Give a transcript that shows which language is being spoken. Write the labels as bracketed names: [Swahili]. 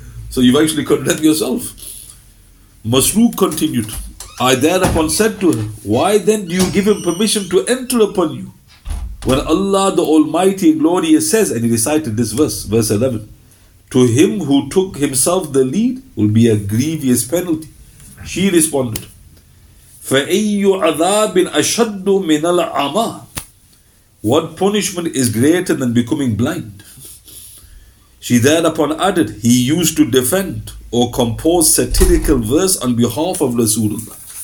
[English] So you've actually condemned yourself. Masruq continued, I thereupon said to her, why then do you give him permission to enter upon you? When Allah the Almighty and Glorious says, and he recited this verse, verse 11, to him who took himself the lead will be a grievous penalty. She responded, [Arabic] فَأَيُّ عَذَابٍ أَشَدُّ مِنَ الْعَمَىٰ. [English] What punishment is greater than becoming blind? She thereupon added, he used to defend or compose satirical verse on behalf of Rasulullah.